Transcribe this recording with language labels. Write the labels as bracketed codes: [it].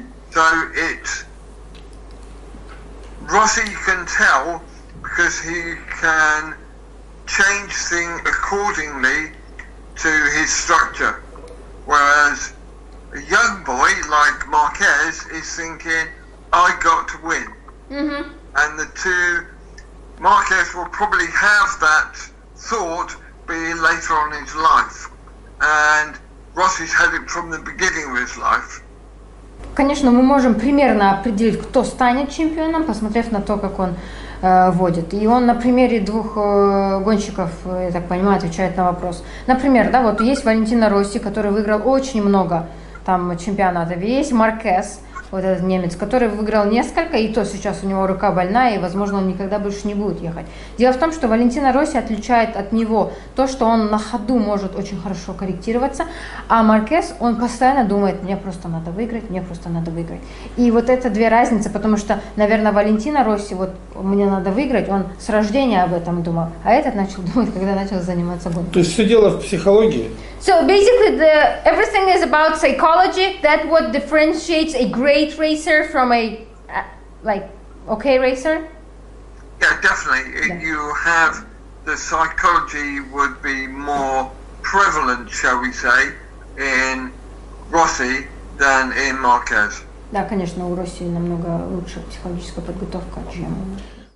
[en] So it's Rossi can tell because he can change things accordingly to his structure, whereas a young boy like Marquez is thinking, I got to win. And the two, Marquez will probably have that thought being later on in his life, and Rossi's had it from the beginning of his life. [ru] Конечно, мы можем примерно определить, кто станет чемпионом, посмотрев на то, как он водит. И он на примере двух гонщиков, я так понимаю, отвечает на вопрос. Например, да, вот есть Валентино Росси, который выиграл очень много там чемпионатов. Есть Маркес, вот этот немец, который выиграл несколько, и то сейчас у него рука больная, и, возможно, он никогда больше не будет ехать. Дело в том, что Валентино Росси отличает от него то, что он на ходу может очень хорошо корректироваться, а Маркес, он постоянно думает, мне просто надо выиграть, мне просто надо выиграть. И вот это две разницы, потому что, наверное, Валентино Росси, вот мне надо выиграть, он с рождения об этом думал, а этот начал думать, когда начал заниматься гонкой. То есть все дело в психологии? [en] So basically, everything is about psychology. That's what differentiates a great racer from a okay racer. Yeah, definitely. Yeah. You have the psychology would be more prevalent, shall we say, in Rossi than in Marquez. [ru] Да, конечно, у Росси намного лучше психологическая подготовка, чем у.